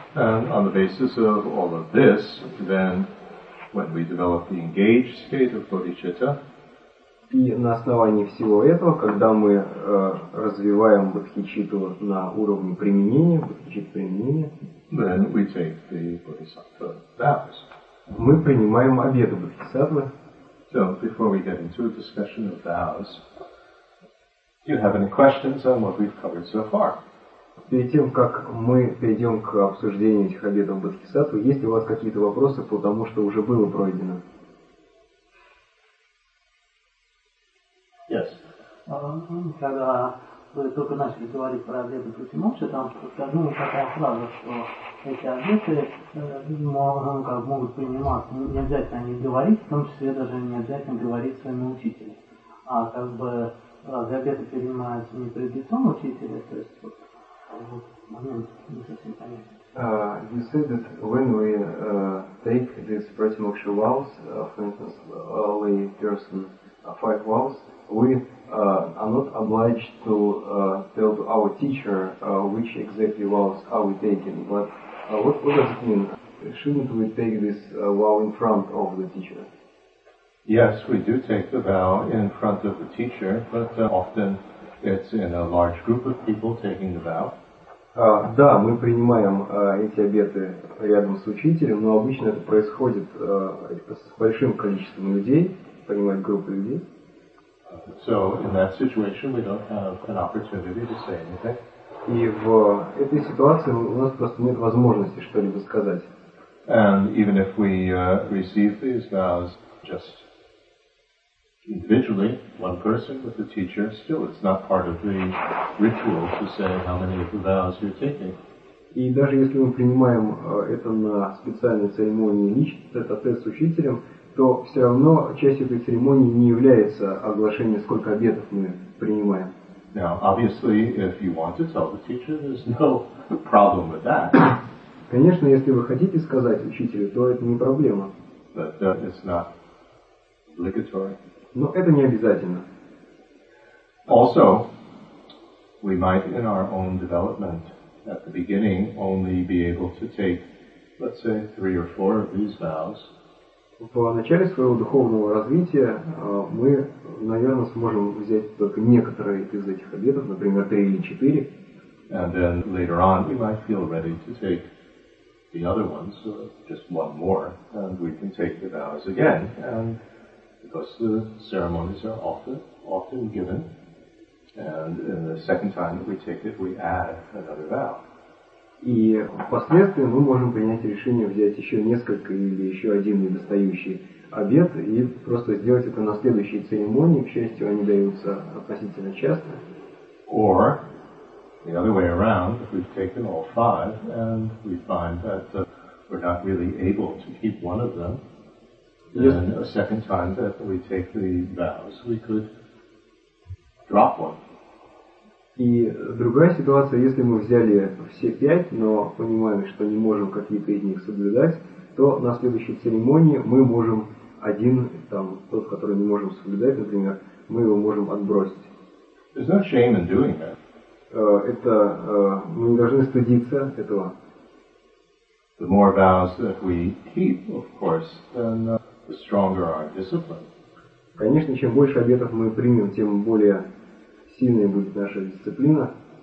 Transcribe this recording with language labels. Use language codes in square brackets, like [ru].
[en] And on the basis of all of this, then when we develop the engaged state of bodhicitta, [ru] и на основании всего этого, когда мы развиваем бодхичитту на уровне применения, бодхичитта применения, [en] then we take the bodhisattva vows. [ru] Мы принимаем обеты бодхисаттвы. [en] So, before we get into a discussion of vows, do you have any questions on what we've covered so far? [ru] Перед тем, как мы перейдем к обсуждению этих обетов бодхисаттвы, есть ли у вас какие-то вопросы по тому, что уже было пройдено? [en] Yes. [ru] Когда вы только начали говорить про обеты бодхисаттвы, там сказала такая фраза, что эти обеты могут приниматься, не обязательно о них говорить, в том числе даже не обязательно говорить своему учителю. А как бы разве обеты принимаются не перед лицом учителя, то есть вот момент не совсем понятен. [en] You said that when we take these pratimoksha vows, for instance, lay person, five vows, we are not obliged to tell to our teacher which exactly vows are we taking. But what does it mean? Shouldn't we take this vow in front of the teacher? Yes, we do take the vow in front of the teacher, but often it's in a large group of people taking the vow. [ru] Да, мы принимаем эти обеты рядом с учителем, но обычно это происходит с большим количеством людей, принимать группы людей. [en] So in that situation we don't have an opportunity to say anything. [ru] И в этой ситуации у нас просто нет возможности что-либо сказать. [en] And even if we receive these vows just individually, one person with the teacher, still it's not part of the ritual to say how many of the vows you're taking. [ru] И даже если мы принимаем это на специальной церемонии лично, тет-а-тет с учителем, то все равно часть этой церемонии не является оглашение, сколько обетов мы принимаем. [en] Now, obviously, if you want to tell the teacher, there's no problem with that. [ru] Конечно, если вы хотите сказать учителю, то это не проблема. [en] But it's not obligatory. [ru] Но это не обязательно. [en] Also, we might in our own development at the beginning only be able to take, let's say, three or four of these vows. [ru] В начале своего духовного развития мы, наверное, сможем взять только некоторые из этих обетов, например, три или четыре. [en] And then later on, we might feel ready to take the other ones, just one more, and we can take the vows again. And because the ceremonies are often given, and in the second time that we take it, we add another vow. [ru] И впоследствии мы можем принять решение взять еще несколько или еще один недостающий обет и просто сделать это на следующей церемонии. К счастью, они даются относительно часто. [en] Or the other way around, if we've taken all five and we find that we're not really able to keep one of them, then a second time that we take the vows, we could drop one. [ru] И другая ситуация, если мы взяли все пять, но понимаем, что не можем какие-то из них соблюдать, то на следующей церемонии мы можем один, там, тот, который не можем соблюдать, например, мы его можем отбросить. [en] There's no shame in doing that. [ru] Мы не должны стыдиться этого. [en] The more vows that we keep, of course, then the stronger our discipline. [ru] Конечно, чем больше обетов мы примем, тем более сильной будет наша дисциплина.